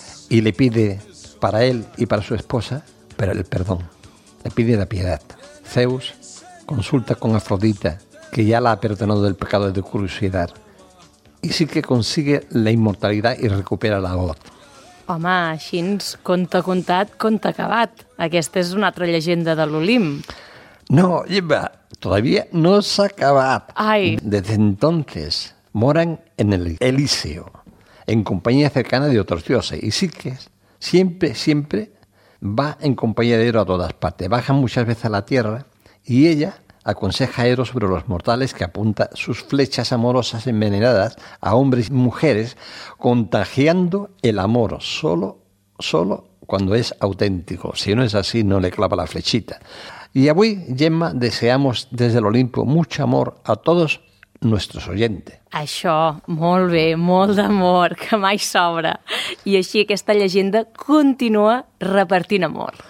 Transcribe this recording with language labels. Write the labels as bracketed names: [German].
[Spanish] Y le pide para él y para su esposa, pero el perdón, le pide la piedad. Zeus consulta con Afrodita, que ya la ha perdonado del pecado de curiosidad, y sí que consigue la inmortalidad y recupera la voz. [Catalan] Home, així, conte contat, conte acabat. Aquesta és una altra llegenda de l'Olimp. [Spanish] No, Eva, todavía no [Catalan] s'ha acabat. Ai. [Spanish] Desde entonces moran en el Elíseo, en compañía cercana de otros dioses. Y Psique siempre, siempre va en compañía de Eros a todas partes. Baja muchas veces a la tierra y ella aconseja a Eros sobre los mortales, que apunta sus flechas amorosas envenenadas a hombres y mujeres, contagiando el amor solo cuando es auténtico. Si no es así, no le clava la flechita. Y a hoy, Gemma, deseamos desde el Olimpo mucho amor a todos nuestros oyentes. [Catalan] Això, molt bé, molt d'amor, que mai sobra. I així aquesta llegenda continua repartint amor.